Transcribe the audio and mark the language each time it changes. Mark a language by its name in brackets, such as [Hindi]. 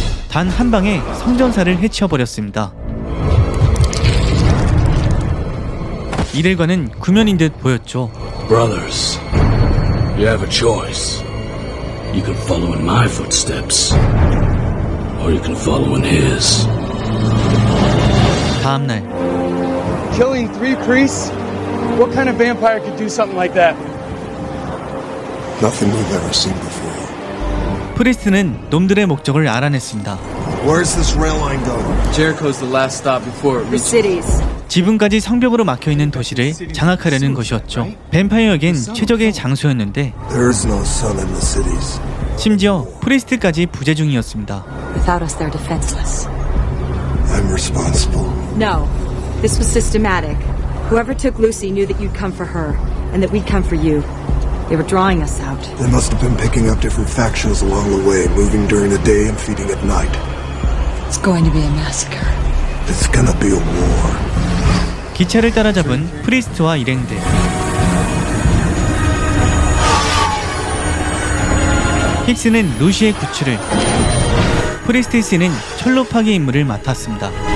[Korean] 단 한 방에 성전사를 해치워버렸습니다. 이들과는 구면인 듯 보였죠. [English] Brothers, you have a choice. You can follow in my footsteps, or you can follow in his. [Korean] 다음날. [English] Killing three priests? What kind of vampire could do something like that? Nothing we've ever seen before. [Korean] 프리스트는 놈들의 목적을 알아냈습니다. [English] Where's this rail line going? Jericho's the last stop before it reaches the cities. [Korean] 지붕까지 성벽으로 막혀 있는 도시를 장악하려는 것이었죠. 뱀파이어에겐 최적의 장소였는데. [English] There's no sun in the cities. [Korean] 심지어 프리스트까지 부재중이었습니다. [English] Without us, they're defenseless. I'm responsible. No, this was systematic. Whoever took Lucy knew that you'd come for her, and that we'd come for you. They were drawing us out. They must have been picking up different factions along the way, moving during the day and feeding at night. It's going to be a massacre. It's gonna be a war. [Korean] 기차를 따라잡은 프리스트와 일행들. 힉스는 루시의 구출을, 프리스트 씨는 철로 파괴 임무를 맡았습니다.